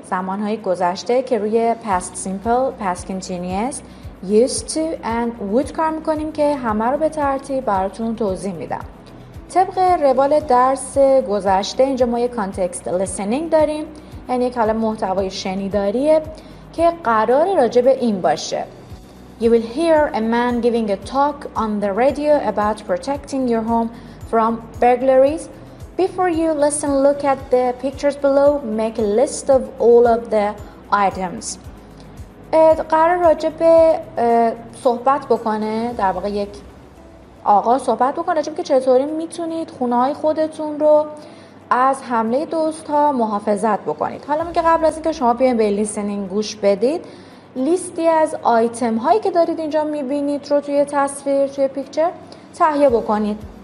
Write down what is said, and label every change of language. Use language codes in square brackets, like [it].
[fa] زمانهای گذشته که روی past simple, past continuous, used to and would کار میکنیم که همه رو به ترتیب براتون توضیح میدم. طبق روال درس گذشته اینجا ما یه context listening داریم. یعنی یک حالا محتوی شنیداریه که قرار راجع به این باشه. [en] You will hear a man giving a talk on the radio about protecting your home from burglaries. Before you listen, look at the pictures below. Make a list of all of the items. [fa] قرار راجع به صحبت بکنه. در واقع یک آقا صحبت بکنه. راجع به که چطوری میتونید خونه‌های خودتون رو از حمله دوست‌ها محافظت بکنید. حالا میگه قبل از اینکه شما بیاین به لیسنینگ گوش بدید، لیستی از آیتم‌هایی که دارید اینجا می‌بینید رو توی تصویر، توی پیکچر تهیه بکنید.